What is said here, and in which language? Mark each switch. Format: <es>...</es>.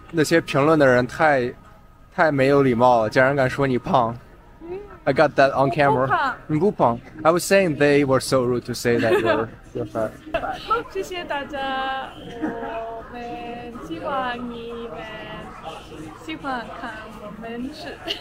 <zh>那些评论的人太没有礼貌了，竟然敢说你胖。</zh> <en>I got that on camera.</en> <zh>你不胖。</zh> <en>I was saying they were so rude to say that you're fat.</en> <zh>谢谢大家，我们希望你们喜欢我们吃。</zh>